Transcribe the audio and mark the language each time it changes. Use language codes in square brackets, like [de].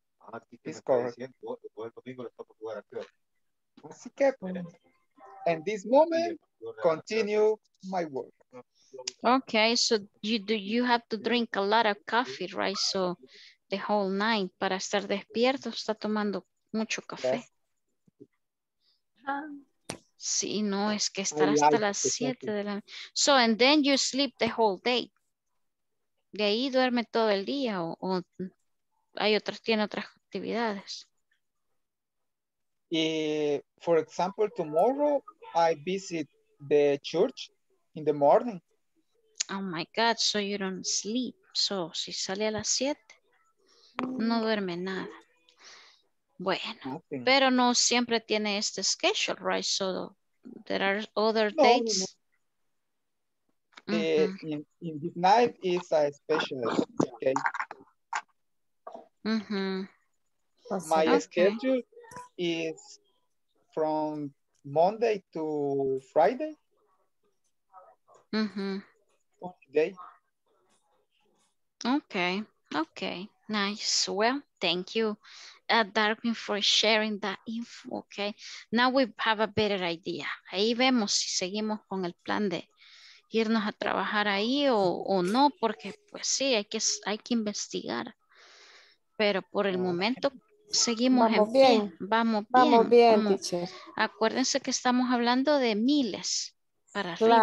[es] Así que, en [en] this moment, continue my work. Okay, so you have to drink a lot of coffee, right? So the whole night, [es] para estar despierto, está tomando mucho café. Sí, no, es que estar hasta las 7 de la noche. [en] So, and then you sleep the whole day. [es] De ahí duerme todo el día o hay otras, tiene otras actividades. [en] For example, tomorrow I visit the church in the morning. Oh my God, so you don't sleep. [es] So, si sale a las 7, no duerme nada. Bueno, [en] nothing. [es] Pero no siempre tiene este schedule, right? [en] So, there are other dates. No, no. In this night is a special okay. Mm-hmm. My schedule is from Monday to Friday. Mm-hmm. Day. Okay. Okay. Nice. Well, thank you, Darwin, for sharing that info. Okay. Now we have a better idea. [es] Ahí vemos si seguimos con el plan de irnos a trabajar ahí o no, porque pues sí, hay que investigar. Pero por el momento seguimos vamos en pie. Bien. Vamos bien. Vamos bien, como, acuérdense que estamos hablando de miles para arriba.